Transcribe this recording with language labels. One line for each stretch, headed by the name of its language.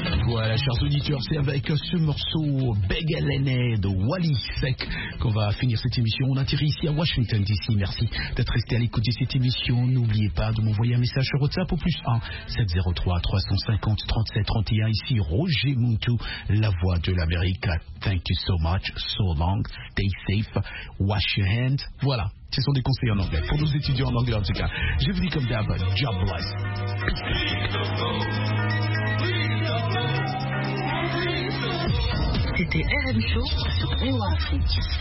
French: Voilà, chers auditeurs, c'est avec ce morceau Beg Elene de Wally Sec qu'on va finir cette émission. On atterrit ici à Washington DC. Merci d'être resté à l'écoute de cette émission. N'oubliez pas de m'envoyer un message sur WhatsApp au plus 1-703-350-3731. Ici Roger Muntu, la voix de l'Amérique.
English: Thank you so much, so long, stay safe, wash your hands.
French: Voilà, ce sont des conseils en anglais, pour nos étudiants en anglais en tout cas. Je vous dis comme d'hab,
English: job bless.
French: C'était RM Show sur VOA Afrique.